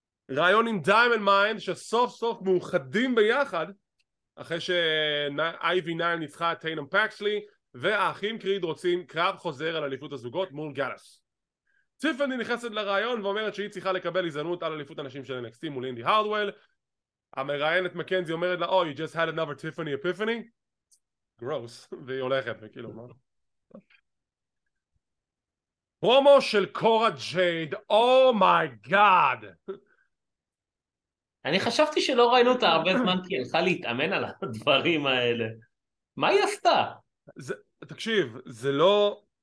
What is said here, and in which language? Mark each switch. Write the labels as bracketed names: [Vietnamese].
[Hebrew] רעיון עם דיימנד מיינד, שסוף סוף מאוחדים ביחד, אחרי שאייבי נייל ניצחה את טיינם פקסלי, והאחים קריד רוצים קרב חוזר על אליפות הזוגות מול גאלס. טיפני נכנסת לרעיון ואומרת שהיא צריכה לקבל הזדמנות על אליפות הנשים של NXT מול אינדי הרדוול. המראיינת מקנזי אומרת לה, [English] oh, you just had another Tiffany epiphany? Gross. [Hebrew] והיא הולכת, וכאילו, מה? פרומו של קורה ג'ייד, [English] oh my god! [Hebrew] אני חשבתי שלא ראינו אותה הרבה זמן כי הלכה להתאמן על הדברים האלה. מה היא עשתה? תקשיב, זה לא...